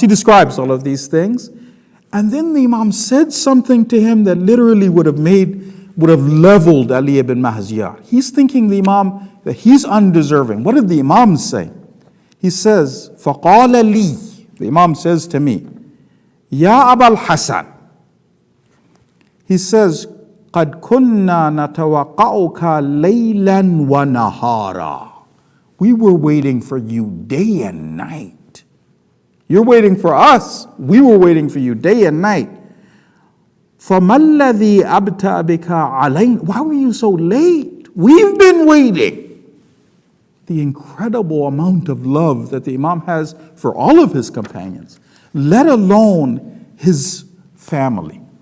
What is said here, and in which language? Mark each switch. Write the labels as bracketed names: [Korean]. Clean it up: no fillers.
[English] He describes all of these things. And then the Imam said something to him that literally would have leveled Ali ibn Mahziyar. He's thinking the Imam, that he's undeserving. What did the Imam say? He says, [Arabic] فَقَالَ لِي. [English] The Imam says to me, Ya Aba al-Hasan. He says, [Arabic] قَدْ كُنَّا نَتَوَقَعُكَ لَيْلًا وَنَهَارًا. [English] We were waiting for you day and night. You're waiting for us. We were waiting for you day and night. [Arabic] فَمَا الَّذِي أَبْتَأَ بِكَ عَلَيْنَا. [English] Why were you so late? We've been waiting. The incredible amount of love that the Imam has for all of his companions, let alone his family.